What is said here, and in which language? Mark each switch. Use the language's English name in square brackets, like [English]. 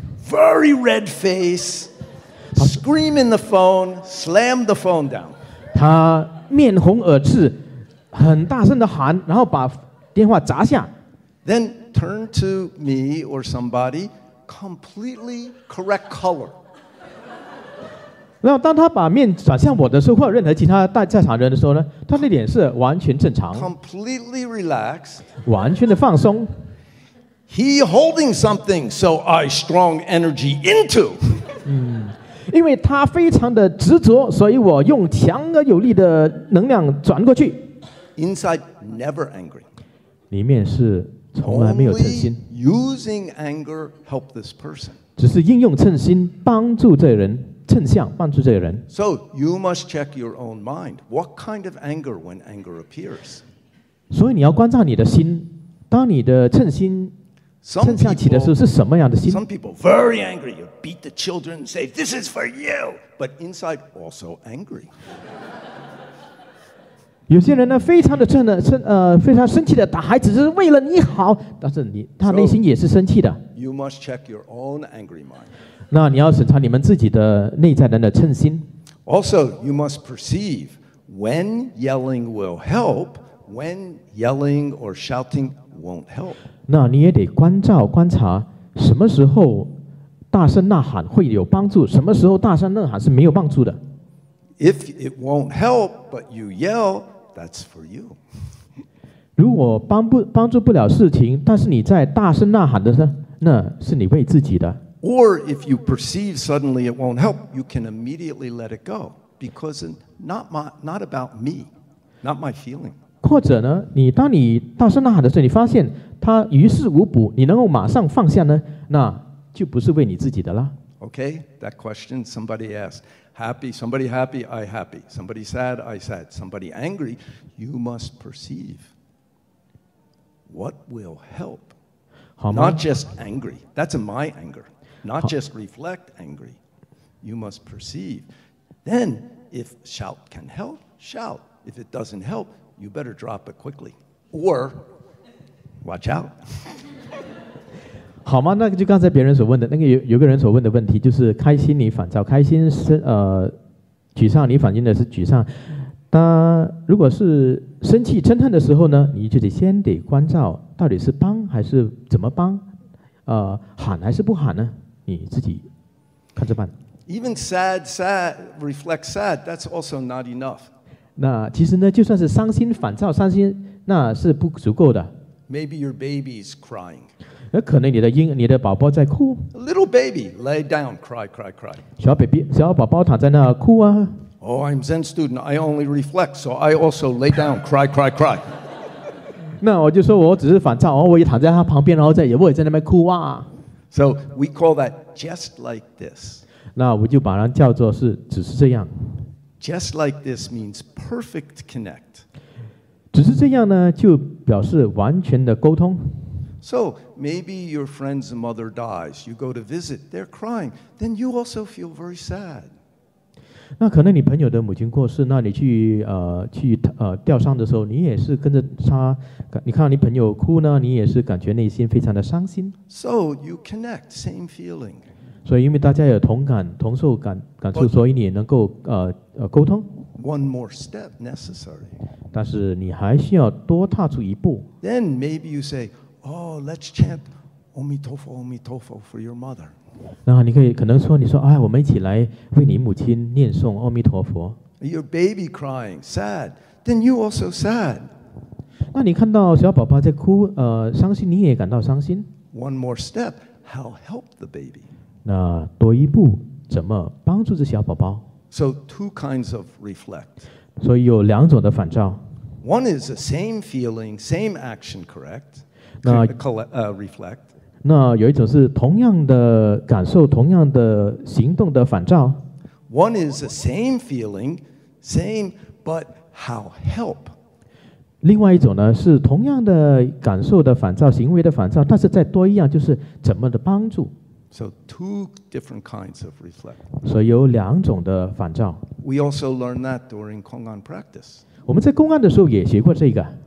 [English] Very red face, scream in the phone, slam the phone down. [Chinese] 他面红耳赤，很大声的喊，然后把电话砸下。 [English] Then turn to me or somebody. Completely correct color. [Chinese] 那当他把面转向我的时候，或者任何其他在场人的时候呢，他的脸是完全正常。 [English] Completely relaxed. [Chinese] 完全的放松。 [English] He holding something, so I strong energy into. [Chinese] 因为他非常的执着，所以我用强而有力的能量转过去。 [English] Inside never angry. [Chinese] 里面是。从来没有嗔心。 [English] Only using anger help this person. [Chinese] 只是应用嗔心帮助这人，嗔相帮助这人。 [English] So you must check your own mind. What kind of anger when anger appears? [Chinese] 所以你要观察你的心，当你的嗔心嗔相起的时候是什么样的心 [English] ？Some people very angry. You beat the children and say, "This is for you," but inside also angry. [Chinese] 有些人呢，非常的非常生气的打孩子，只是为了你好，但是他内心也是生气的。 [English] So, you must check your own angry mind. [Chinese] 那你要审查你们自己的内在人的嗔心。 [English] Also, you must perceive when yelling will help, when yelling or shouting won't help. [Chinese] 那你也得观察，什么时候大声呐喊会有帮助，什么时候大声呐喊是没有帮助的。 [English] If it won't help, but you yell, that's for you. [Chinese] 如果帮助不了事情，但是你在大声呐喊的呢，那是你为自己的。 [English] Or if you perceive suddenly it won't help, you can immediately let it go because not about me, not my feeling. [Chinese] 或者呢，你当你大声呐喊的时候，你发现它于事无补，你能够马上放下呢，那就不是为你自己的了。 [English] Okay, that question somebody asked. Happy, somebody happy, I happy. Somebody sad, I sad. Somebody angry, you must perceive what will help. Not just angry. That's my anger. Not just reflect angry. You must perceive. Then, if shout can help, shout. If it doesn't help, you better drop it quickly. Or watch out. [Chinese] 好吗？那就刚才别人所问的，那个有个人所问的问题，就是开心你反照开心，沮丧你反映的是沮丧。那如果是生气嗔恨的时候呢，你就得先得关照到底是帮还是怎么帮，喊还是不喊呢，你自己看着办。 [English] Even sad, sad, reflect sad, that's also not enough. [Chinese] 那其实呢，就算是伤心反照伤心，那是不足够的。 [English] Maybe your baby is crying. [Chinese] 可能你的宝宝在哭。 [English] A little baby, lay down, cry, cry, cry. [Chinese] 小 baby, 小宝宝躺在那哭啊。 [English] Oh, I'm Zen student, I only reflect, so I also lay down, cry, cry, cry. [Chinese] 那我就说我只是反照，然后我也躺在他旁边，然后在也不会在那边哭啊。 [English] So we call that just like this. [Chinese] 那我就把它叫做是只是这样。 [English] Just like this means perfect connect. [Chinese] 只是这样呢，就表示完全的沟通。 [English] So maybe your friend's mother dies, you go to visit, they're crying, then you also feel very sad. [Chinese] 那可能你朋友的母亲过世，那你去吊丧的时候，你也是跟着他，你看到你朋友哭呢，你也是感觉内心非常的伤心。 [English] So you connect, same feeling. [Chinese] 所以因为大家有同感同受 感受，所以你也能够沟通。 [English] One more step necessary. [Chinese] 但是你还需要多踏出一步。 [English] Then maybe you say, oh, let's chant, [Chinese] 阿弥陀佛阿弥陀佛 [English] for your mother. [Chinese] 那你可以可能说你说哎，我们一起来为你母亲念诵阿弥陀佛。 [English] Your baby crying, sad. Then you also sad. [Chinese] 那你看到小宝宝在哭伤心，你也感到伤心。 [English] One more step, how help the baby. [Chinese] 那多一步怎么帮助这小宝宝？ [English] So two kinds of reflect. [Chinese] 所以有两种的反照。 [English] One is the same feeling, same action, correct? [Chinese] 那 [English] reflect. [Chinese] 那有一种是同样的感受，同样的行动的反照。 [English] One is the same feeling, same, but how help? [Chinese] 另外一种呢是同样的感受的反照，行为的反照，但是再多一样就是怎么的帮助。 [English] So two different kinds of reflect. [Chinese] 所以有两种的反照。 [English] We also learn that during Kong'an practice. [Chinese] 我们在公案的时候也学过这个。